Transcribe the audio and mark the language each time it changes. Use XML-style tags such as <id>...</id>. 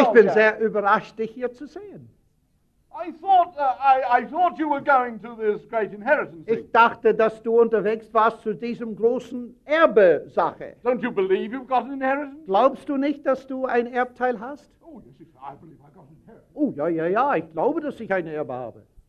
<de>Ich bin sehr überrascht, dich hier zu sehen.</de> <en>I thought you were going to this great inheritance.</en> <de>Ich dachte, dass du unterwegs warst zu diesem großen Erbesache.</de> <en>Don't you believe you've got an inheritance?</en> <de>Glaubst du nicht, dass du ein Erbteil hast?</de> <en>Oh, yes, I believe I've got an inheritance.</en> <de>Oh, ja, ich glaube, dass ich ein Erbe habe.</de>